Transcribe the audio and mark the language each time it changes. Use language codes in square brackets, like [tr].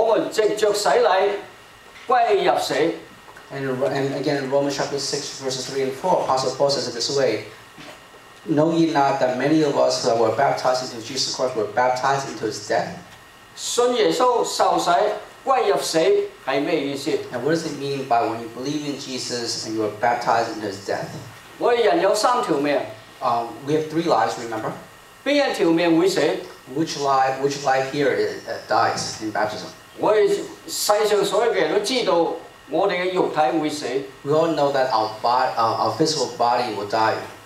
[zh] 岂不知我们受洗归入基督的人是受洗归入他的死么？我们藉着洗礼归入死。 [en] And again, in Romans chapter 6, verses 3 and 4, Apostle Paul says it this way. Know ye not that many of us that were baptized into Jesus Christ were baptized into His death? [zh] 信耶稣受洗归入死是什么意思? [en] And what does it mean by when you believe in Jesus and you were baptized into His death? [zh] 我们人有三条命。 [en] We have three lives, remember? [zh] 哪一条命会死? [en] Which life here dies in baptism? [zh] 我们世上所有的人都知道 [en] We all know that our physical body will die.